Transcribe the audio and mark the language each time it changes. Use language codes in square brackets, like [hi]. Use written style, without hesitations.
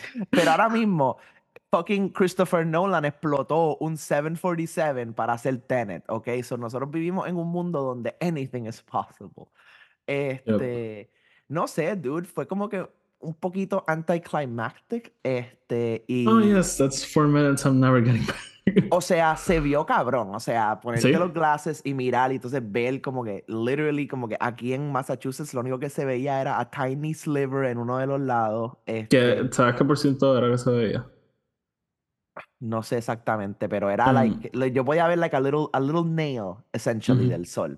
[es] Pero ahora mismo, [en] fucking [es] Christopher Nolan explotó un 747 para hacer Tenet, okay? [en] So [es] nosotros vivimos en un mundo donde [en] anything is possible. Yep. [es] No sé, [en] dude, [es] fue como que un poquito [en] anticlimactic, [es] y... [en] Oh, yes, that's 4 minutes I'm never getting back. [es] O sea, se vio cabrón, o sea, ponerte, ¿sí?, los glasses y mirar, y entonces ver como que, [en] literally, [es] como que aquí en Massachusetts lo único que se veía era [en] a tiny sliver [es] en uno de los lados. ¿Sabes qué por ciento era que se veía? No sé exactamente, pero era yo podía ver [en] like a little nail, essentially, mm-hmm, [es] del sol.